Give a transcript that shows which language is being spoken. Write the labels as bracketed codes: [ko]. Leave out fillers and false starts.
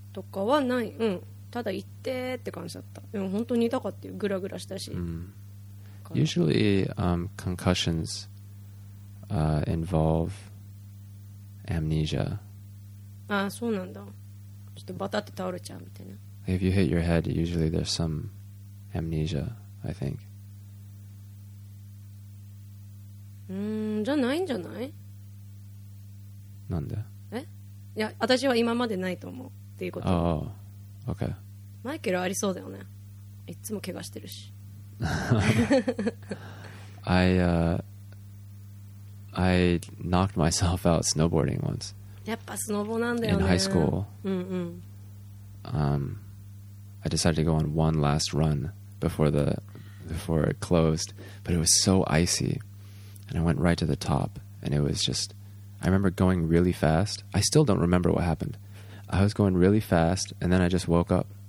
[ja] とかはない。うん。ただ行ってって感じだった。でも本当に痛かったよ。グラグラしたし。 [en] うん。Usually, concussions, involve amnesia. [ja] ああ、そうなんだ。ちょっとバタって倒れちゃうみたいな。 [en] If you hit your head, usually there's some amnesia, I think. [ja] じゃないんじゃない? なんで? え? いや、私は今までないと思うっていうこと。ああ、OK。マイケルありそうだよね。いつも怪我してるし。 [en] I knocked myself out snowboarding once. [ja] やっぱスノボなんだよね。 [en] In high school, I decided to go on one last run before it closed, but it was so icy, and I went right to the top, and it was just, I remember going really fast. I still don't remember what happened. I was going really fast, and then I just woke up.